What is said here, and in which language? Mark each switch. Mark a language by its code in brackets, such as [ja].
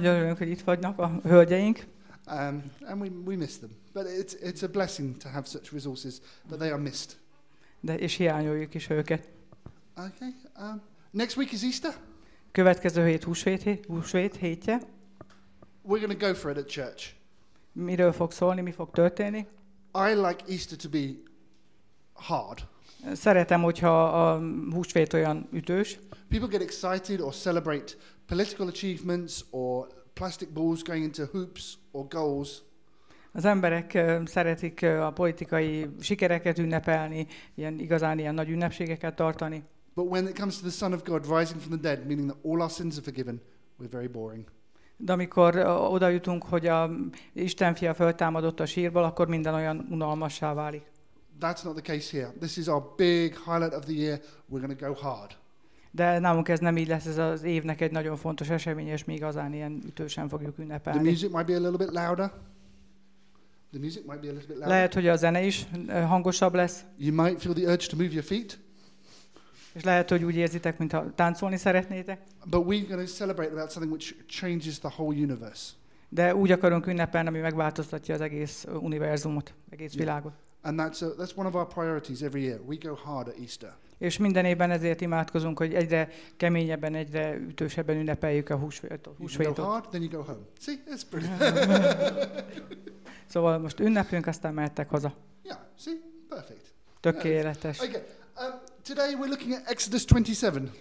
[hu] De nagyon örülünk, hogy itt vannak a hölgyeink. [en] And we miss them. But it's a blessing to have such resources, but they are missed. [hu] De és hiányoljuk is őket. [en] Okay. Next week is Easter. [hu] Következő hét húsvét hétje. [en] We're going to go for it at church. [hu] Miről fog szólni, mi fog történni? [en] I like Easter to be hard. [hu] Szeretem, hogyha a húsvét olyan ütős. [en] People get excited or celebrate political achievements or plastic balls going into hoops or goals. [hu] Az emberek szeretik a politikai sikereket ünnepelni, igazán ilyen nagy ünnepségeket tartani. [en] But when it comes to the Son of God rising from the dead, meaning that all our sins are forgiven, we're very boring. [hu] De amikor oda jutunk, hogy a Isten fia feltámadott a sírból, akkor minden olyan unalmassá válik. [en] That's not the case here. This is our big highlight of the year. We're going to go hard. [hu] De nálunk ez nem így lesz, ez az évnek egy nagyon fontos esemény, és mi igazán ilyen ütősen fogjuk ünnepelni. [en] The music might be a little bit louder. The music might be a little bit louder. [hu] Lehet, hogy a zene is hangosabb lesz. [en] You might feel the urge to move your feet. [hu] És lehet, hogy úgy érzitek, mintha táncolni szeretnétek. [en] But we're going to celebrate about something which changes the whole universe. [hu] De úgy akarunk ünnepelni, ami megváltoztatja az egész univerzumot, egész világot. [en] And that's one of our priorities every year. We go hard at Easter. [hu] És minden évben ezért imádkozunk, hogy egyre keményebben, egyre ütősebben ünnepeljük a húsvétot. [en] You go hard, then you go home. See, it's pretty. [hu] Szóval most ünnepünk, aztán mehettek haza. [en] Yeah, see, perfect. [hu] Tökéletes. [en] Okay. Today we're looking at Exodus 27.